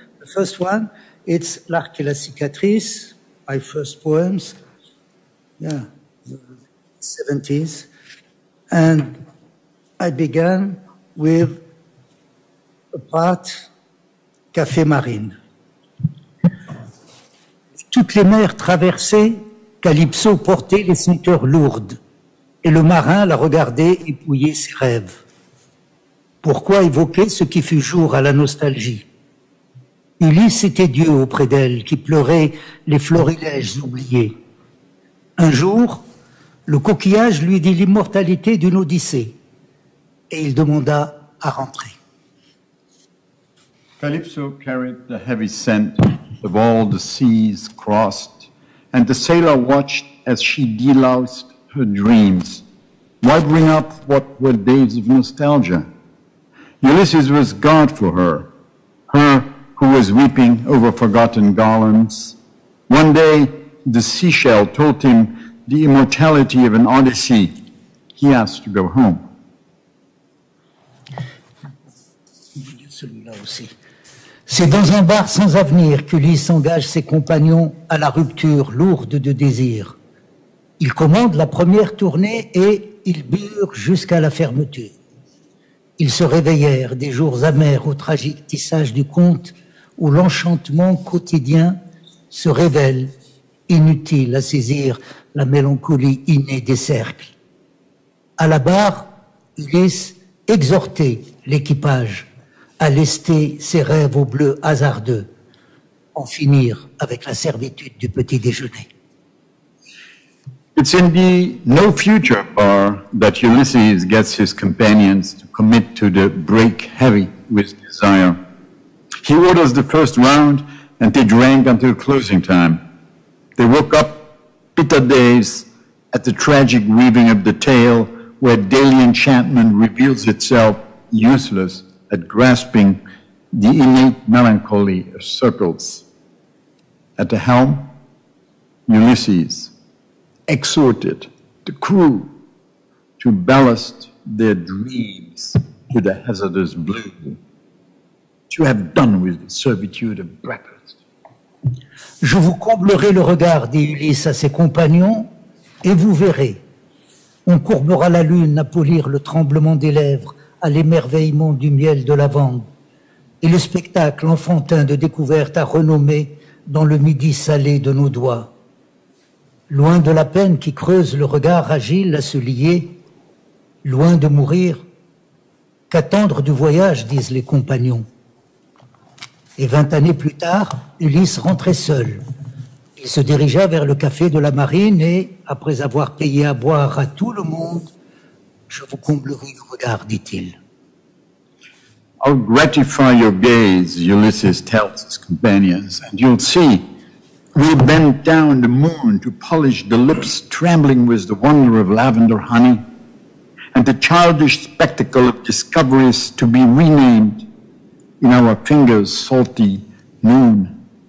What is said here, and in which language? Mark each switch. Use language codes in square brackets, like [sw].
[en] The first one, it's L'Arc et la Cicatrice, my first poems. Yeah. 70s, and I began with a part, Café Marine. [fr] Toutes les mers traversées, Calypso portait les ceintures lourdes, et le marin la regardait épouiller ses rêves. Pourquoi évoquer ce qui fut jour à la nostalgie? Ulysse était Dieu auprès d'elle, qui pleurait les florilèges oubliés. Un jour, le coquillage lui dit l'immortalité d'une odyssée, et il demanda à rentrer. [en] Calypso carried the heavy scent of all the seas crossed, and the sailor watched as she deloused her dreams. Why bring up what were days of nostalgia? Ulysses was God for her, her who was weeping over forgotten garlands. One day, the seashell told him the immortality of an odyssey, he asked to go home. [fr] C'est dans un bar sans avenir qu'Ulysse engage ses compagnons à la rupture lourde de désir. Il commande la première tournée et ils burent jusqu'à la fermeture. Ils se réveillèrent des jours amers au tragique tissage du conte où l'enchantement quotidien se révèle inutile à saisir la mélancolie innée des cercles. À la barre, Ulysse exhortait l'équipage à lester ses rêves au bleu hasardeux, en finir avec la servitude du petit déjeuner. [en] It's in the no future bar that Ulysses gets his companions to commit to the break heavy with desire. He orders the first round and they drank until closing time. They woke up bitter days at the tragic weaving of the tale where daily enchantment reveals itself useless at grasping the innate melancholy of circles. At the helm, Ulysses exhorted the crew to ballast their dreams to the hazardous blue, to have done with the servitude of breakfast. [fr] Je vous comblerai le regard, dit Ulysse à ses compagnons, et vous verrez. On courbera la lune à polir le tremblement des lèvres à l'émerveillement du miel de lavande, et le spectacle enfantin de découverte à renommer dans le midi salé de nos doigts. Loin de la peine qui creuse le regard agile à se lier, loin de mourir, qu'attendre du voyage, disent les compagnons. Et 20 années plus tard, Ulysse rentrait seul. Il se dirigea vers le café de la marine et, après avoir payé à boire à tout le monde, je vous comblerai le regard, dit-il. [en] I'll gratify your gaze, Ulysses tells his companions, and you'll see. We bent down the moon to polish the lips trembling with the wonder of lavender honey, and the childish spectacle of discoveries to be renamed in our fingers' salty noon.